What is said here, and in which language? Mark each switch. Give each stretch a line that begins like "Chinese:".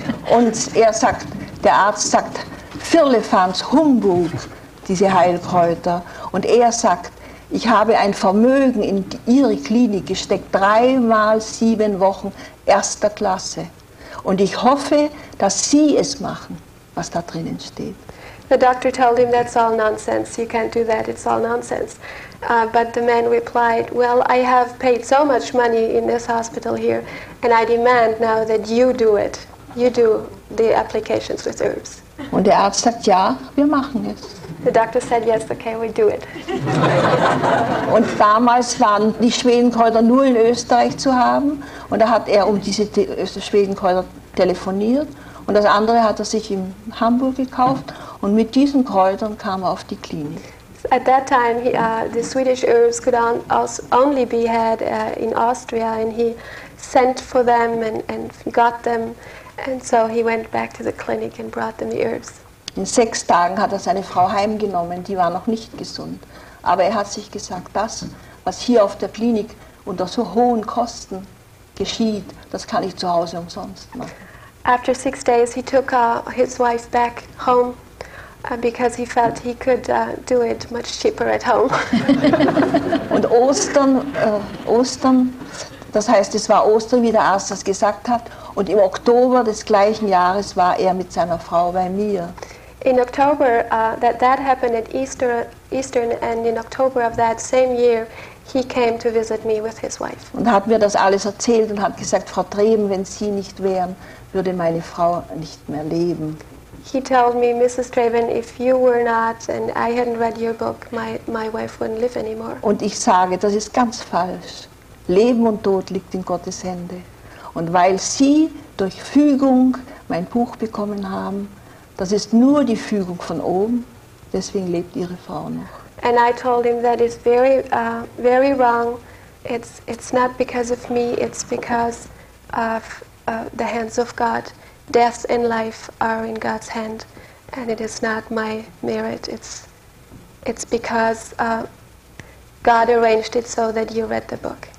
German: Und er sagt, der Arzt sagt, Firlefanz, Humbug, diese Heilkräuter. Und er sagt, ich habe ein Vermögen in Ihre Klinik gesteckt, 3x7 Wochen, erster Klasse. Und ich hoffe, dass Sie es machen, was da drinnen steht.
English: The doctor told him, that's all nonsense, you can't do that, it's all nonsense. But the man replied, well, I have paid so much money in this hospital here, and I demand now that you do it. You do the applications with herbs.
German: Und der Arzt sagt, ja, wir machen es.
English: The doctor said, yes, okay, we do it.
German: Und damals waren die Schwedenkräuter nur in Österreich zu haben. Und da hat er um diese Schwedenkräuter telefoniert. Und das andere hat er sich in Hamburg gekauft. Und mit diesen Kräutern kam er auf die Klinik.
English: At that time, the Swedish herbs could only be had in Austria, and he sent for them and got them, and so he went back to the clinic and brought them the herbs.
German: In 6 Tagen hat er seine Frau heimgenommen, die war noch nicht gesund. Aber er hat sich gesagt, das, was hier auf der Klinik unter so hohen Kosten geschieht, das kann ich zu Hause umsonst machen.
English: After 6 days, he took his wife back home, because he felt he could do it much cheaper at home.
German: Und Ostern, das heißt, es war Ostern, wie der Arzt das gesagt hat, und im Oktober des gleichen Jahres war er mit seiner Frau bei mir.
English: In October, that happened at Easter, and in October of that same year, he came to visit me with his wife.
German: Und hat mir das alles erzählt und hat gesagt, Frau Treben, wenn Sie nicht wären, würde meine Frau nicht mehr leben.
English: He told me, Mrs. Traven, if you were not and I hadn't read your book, my wife wouldn't live anymore.
German: Und ich sage, das ist ganz falsch. Leben und Tod liegt in Gottes Hände. Und weil Sie durch Fügung mein Buch bekommen haben, das ist nur die Fügung von oben, deswegen lebt Ihre Frau noch.
English: And I told him that is very, very wrong. It's not because of me, it's because of the hands of God. Death and life are in God's hand. And it is not my merit. It's because God arranged it so that you read the book.